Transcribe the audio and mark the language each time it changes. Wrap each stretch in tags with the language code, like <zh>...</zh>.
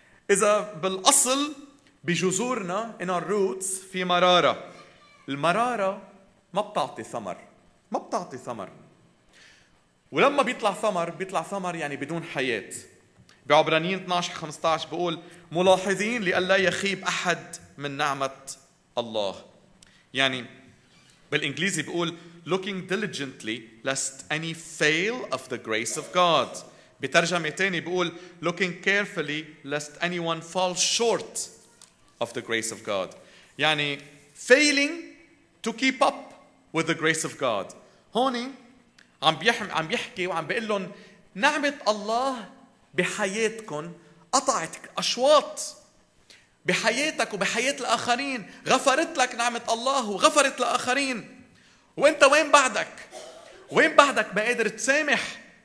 <ar>إذا بالأصل بجذورنا</ar> <en>in our roots</en> <ar>في مرارة، المرارة ما بتعطي ثمر، ما بتعطي ثمر، ولما بيطلع ثمر بيطلع ثمر يعني بدون حياة. بعبرانيين 12:15 بقول ملاحظين لئلا يخيب أحد من نعمة الله. يعني بالإنجليزي بيقول</ar> <en>looking diligently lest any fail of the grace of God.</en> <ar>بترجمة تاني بيقول</ar> <en>looking carefully lest anyone fall short of the grace of God.</en> <ar>يعني</ar> <en>failing to keep up with the grace of God.</en> <ar>هوني عم بيحكي وعم بيقول لهم نعمة الله بحياتكم قطعت أشواط بحياتك وبحياة الآخرين، غفرت لك نعمة الله وغفرت لآخرين، وانت وين بعدك؟ وين بعدك ما قادر تسامح؟</ar>